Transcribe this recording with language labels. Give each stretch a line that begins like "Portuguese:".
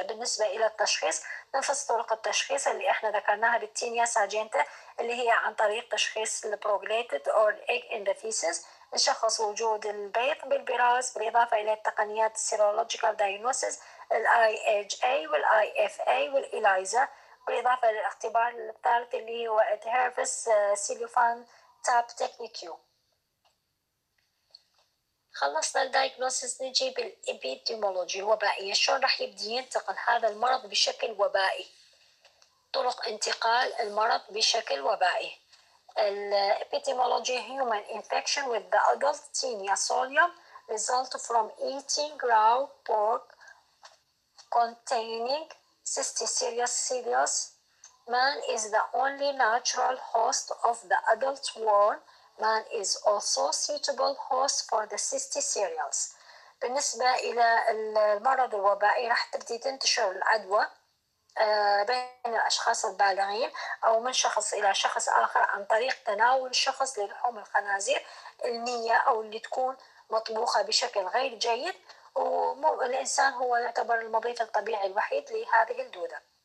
Arabic: بالنسبة الى التشخيص، نفس طرق التشخيص اللي احنا ذكرناها بالتينيا سارجنتا، اللي هي عن طريق تشخيص البروغليتد او الايج ان ذا فيسز، نشخص وجود البيض بالبراز بالاضافه الى التقنيات السيرولوجيكال دايجنوسيس الاي اتش اي والاي اف اي والاليزا، بالاضافه للاختبار الثالث اللي هو ادهيرفس سيلوفان تاب تكنيكيو. خلصنا الدايجنوسيس، نجي بالإبيديمولوجي الوبائية، شلون راح يبدي ينتقل هذا المرض بشكل وبائي، طرق انتقال المرض بشكل وبائي.
English: الإبيديمولوجي human infection with the adult tinea solium result from eating raw pork containing cysticercia cereus. Man is the only natural host of the adult worm. Man is also suitable host for the cysticercias.
Arabic: بالنسبة إلى المرض الوبائي، راح تبدي تنتشر العدوى بين الأشخاص البالغين أو من شخص إلى شخص آخر عن طريق تناول شخص للحوم الخنازير النية أو اللي تكون مطبوخة بشكل غير جيد، والإنسان هو يعتبر المضيف الطبيعي الوحيد لهذه الدودة.